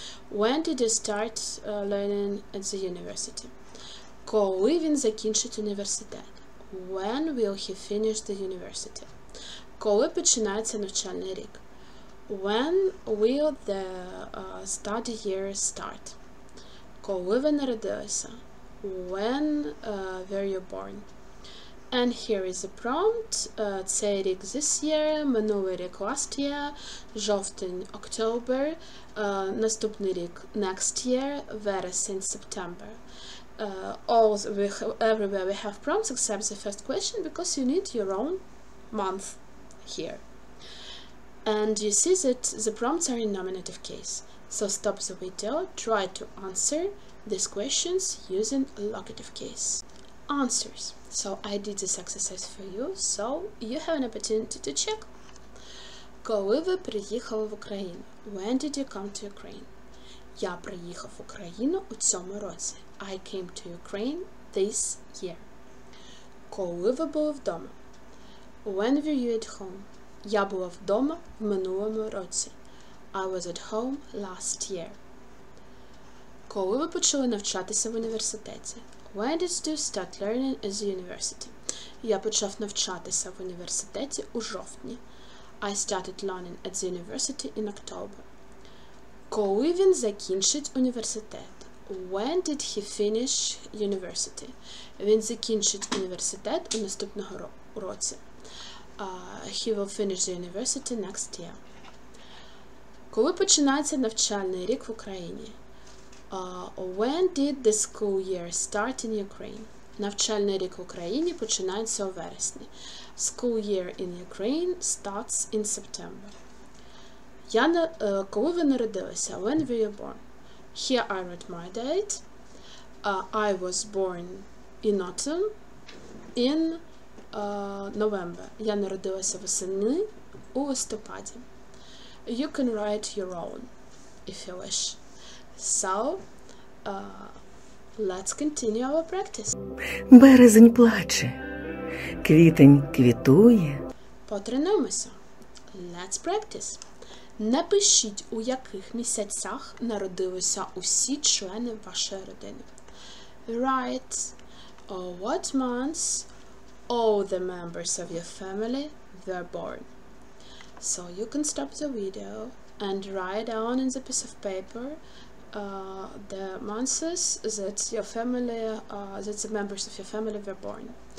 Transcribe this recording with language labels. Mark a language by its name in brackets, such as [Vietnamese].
[English] When did you start learning at the university? [Ukrainian] Коли він закінчить університет? [English] When will he finish the university? [Ukrainian] Коли починається навчальний рік? [English] When will the study year start? [Ukrainian] Коли ви народилися? [English] When were you born? And here is a prompt. [Ukrainian] Цей рік [English] this year, [Ukrainian] минулий рік [English] last year, жовтень October, [Ukrainian] наступний рік [English] next year, вересень September. Everywhere we have prompts except the first question because you need your own month here. And you see that the prompts are in nominative case. So stop the video, try to answer these questions using locative case. Answers. So I did this exercise for you, so you have an opportunity to check. [Ukrainian] Коли ви приїхали в Україну? [English] When did you come to Ukraine? [Ukrainian] Я приїхав в Україну у цьому році. [English] I came to Ukraine this year. [Ukrainian] Коли ви були вдома? [English] When were you at home? [Ukrainian] Я була вдома в минулому році. [English] I was at home last year. [Ukrainian] Коли ви почали навчатися в університеті? [English] When did you start learning at the university? [Ukrainian] Я почав навчатися в університеті у жовтні. [English] I started learning at the university in October. [Ukrainian] Коли він закінчить університет? [English] When did he finish university? [Ukrainian] Він закінчить університет у наступного році. [English] He will finish the university next year. [Ukrainian] Коли починається навчальний рік в Україні? [English] When did the school year start in Ukraine? [Ukrainian] Навчальний рік в Україні починається у вересні. [English] School year in Ukraine starts in September. [Ukrainian] Коли ви народилися? [English] When were you born? Here I wrote my date. I was born in autumn, in November. [Ukrainian] Я народилася восени у листопаді. [English] You can write your own, if you wish. So, let's continue our practice. [Ukrainian] Березень плаче, квітень квітує. Потренуємося. [English] Let's practice. [Ukrainian] Напишіть, у яких місяцях народилися усі члени вашої родини. [English] Write what months all the members of your family were born. So you can stop the video and write down in the piece of paper the months that your family, that the members of your family were born.